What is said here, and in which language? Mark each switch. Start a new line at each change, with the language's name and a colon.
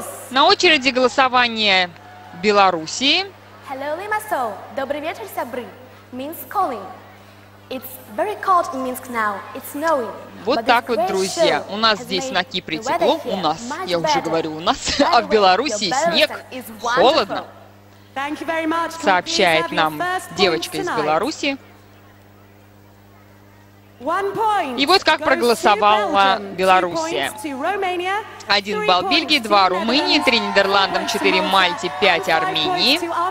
Russian: На очереди голосование Белоруссии.
English: Hello, Limassol.
Russian: Добрый вечер, Сябры.
English: Minsk calling. It's very cold in Minsk now. It's snowing.
Russian: Вот так вот, друзья, у нас здесь на Кипре тепло, у нас, я уже говорю, у нас, а в Белоруссии снег, холодно, сообщает нам девочка из Беларуси. И вот как проголосовала Белоруссия. 1 балл Бельгии, 2 Румынии, 3 Нидерландам, 4 Мальте, 5 Армении.